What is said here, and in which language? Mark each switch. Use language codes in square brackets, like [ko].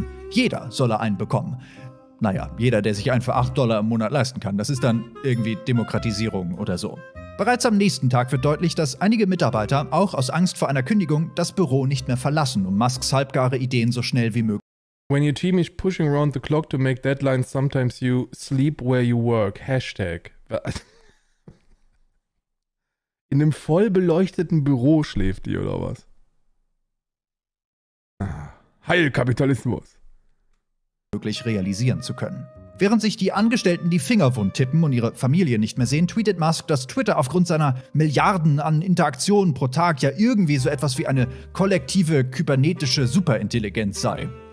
[de] Jeder soll einen bekommen. Naja, jeder, der sich einen für $8 im Monat leisten kann, das ist dann irgendwie Demokratisierung oder so. Bereits am nächsten Tag wird deutlich, dass einige Mitarbeiter, auch aus Angst vor einer Kündigung, das Büro nicht mehr verlassen, um Musks halbgare Ideen so schnell wie möglich. [en] When your team is pushing around the clock to make deadlines, sometimes you sleep where you work. [de] Hashtag. In einem voll beleuchteten Büro schläft die, oder was? Heil Kapitalismus. Möglich realisieren zu können. Während sich die Angestellten die Finger wund tippen und ihre Familie nicht mehr sehen, tweetet Musk, dass Twitter aufgrund seiner Milliarden an Interaktionen pro Tag ja irgendwie so etwas wie eine kollektive kybernetische Superintelligenz sei.